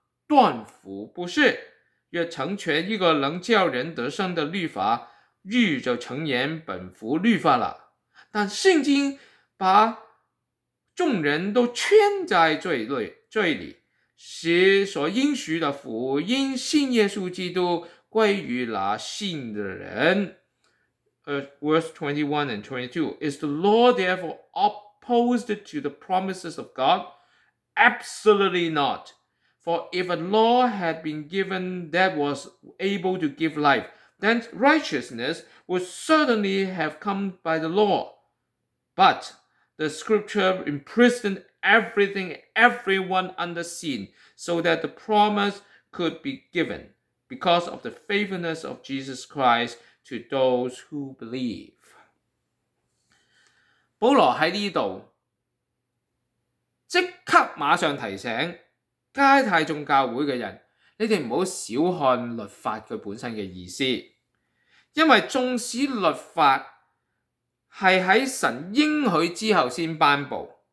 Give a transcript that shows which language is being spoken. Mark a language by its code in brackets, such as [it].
[zh] 断乎不是。若成全一个能叫人得生的律法，义就成言本乎律法了。但圣经把众人都圈在罪里，使所应许的福音信耶稣基督归于那信的人。 [en] Verse 21 and 22, Is the law therefore opposed to the promises of God? Absolutely not. For if a law had been given that was able to give life, then righteousness would certainly have come by the law. But the scripture imprisoned everything, everyone under sin, so that the promise could be given because of the faithfulness of Jesus Christ to those who believe. [zh] 保罗在这里即刻马上提醒加拉太众教会的人，你们不要小看律法它本身的意思。因为纵使律法是在神应许之后才颁布，